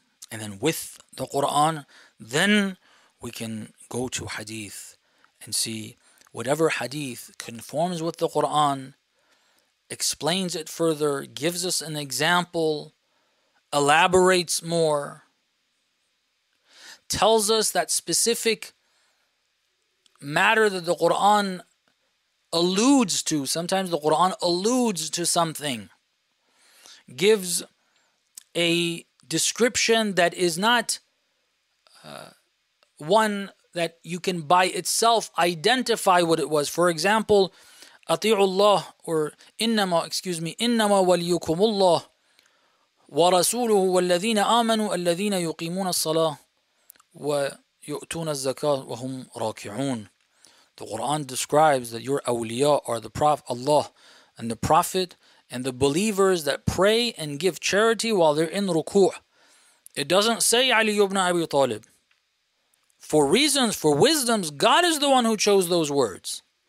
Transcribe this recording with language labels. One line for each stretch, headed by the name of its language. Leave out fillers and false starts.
English: And then with the Quran, then we can go to hadith and see whatever hadith conforms with the Quran, explains it further, gives us an example, elaborates more, tells us that specific matter that the Quran alludes to. Sometimes the Quran alludes to something, gives a description that is not one that you can by itself identify what it was. For example,
Arabic: أَطِيعُ اللَّهِ or إِنَّمَا,
English: excuse me,
Arabic: إِنَّمَا وَلِيُّكُمُ اللَّهِ وَرَسُولُهُ وَالَّذِينَ آمَنُوا الَّذِينَ يُقِيمُونَ الصَّلَاةِ وَيُؤْتُونَ الزَّكَاةِ وَهُمْ رَاكِعُونَ.
English: The Quran describes that your awliya are the Prophet Allah and the Prophet and the believers that pray and give charity while they're in ruku'. It doesn't say Ali ibn Abi Talib. For reasons, for wisdoms, God is the one who chose those words.